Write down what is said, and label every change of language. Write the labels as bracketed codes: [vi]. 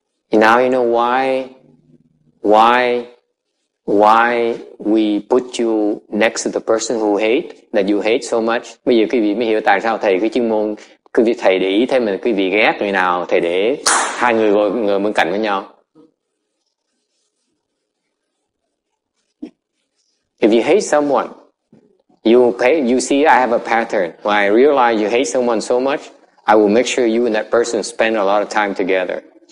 [en] Now you know why we put you next to the person who hate, that you hate so much. [vi] Bây giờ quý vị mới hiểu tại sao thầy cái chuyên môn, quý vị thầy để ý thấy mình, quý vị ghét người nào, thầy để hai người ngồi bên cạnh với nhau. [en] If you hate someone, you see I have a pattern. When I realize you hate someone so much, I will make sure you and that person spend a lot of time together.